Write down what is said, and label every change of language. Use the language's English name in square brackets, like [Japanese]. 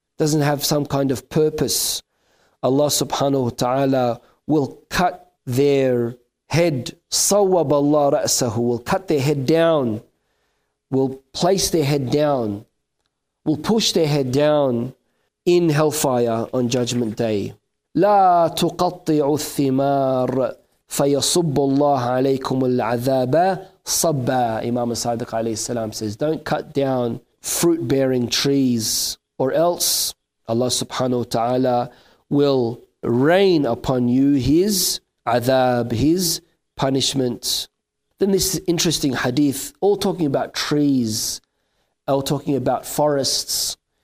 [English] Doesn't have some kind of purpose. Allah subhanahu wa ta'ala will cut their head. [Arabic] صوب الله رأسه. [English] Will cut their head down. Will place their head down. Will push their head down in hellfire on Judgment Day. [Arabic] لا تقطع الثمار فيصب الله عليكم العذاب صبا. [English] Imam Sadiq alayhi salam says, don't cut down fruit-bearing trees, or else Allah subhanahu wa ta'ala will rain upon you his adab, his punishment. Then this interesting hadith, all talking about trees, all talking about forests.